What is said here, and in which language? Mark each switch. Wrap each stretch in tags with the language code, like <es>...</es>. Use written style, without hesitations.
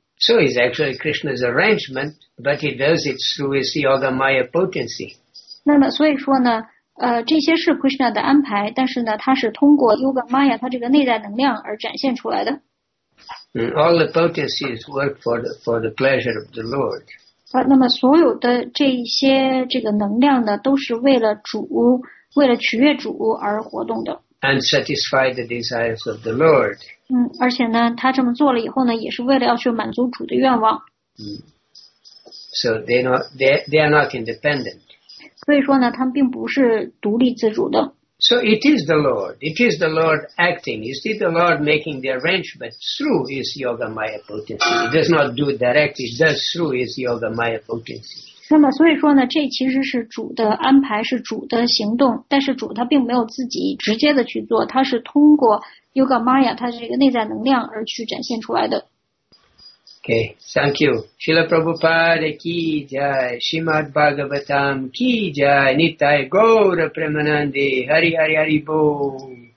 <en>So it's actually Krishna's arrangement, but he does it through his Yoga Maya potency.</en> <zh>那么所以说呢这些是 Krishna 的安排，但是呢它是通过 Yoga Maya 它这个内在能量而展现出来的。</zh> <en>All the potencies work for the pleasure of the Lord.</en> <zh>那么所有的这些这个能量呢都是为了主，为了取悦主而活动的。</zh> <en>And satisfy the desires of the Lord.</en> <zh>而且呢他这么做了以后呢也是为了要去满足主的愿望。</zh> <en>So they are not independent.</en> <zh>所以说呢他们并不是独立自主的。</zh> <en>So it is the Lord. It is the Lord acting. You see the Lord making the arrangement through his Yoga Maya potency. He does not do it directly. It does through his Yoga Maya potency.</en> <zh>那么所以说呢，这其实是主的安排，是主的行动，但是主他并没有自己直接的去做，他是通过 Yoga Maya 他这个内在能量而去展现出来的。</zh> <en>Okay, thank you. Srila Prabhupada ki jai, Srimad Bhagavatam ki jai, Nitai Gaura Premanande, Hari Hari Hari Bo.</en>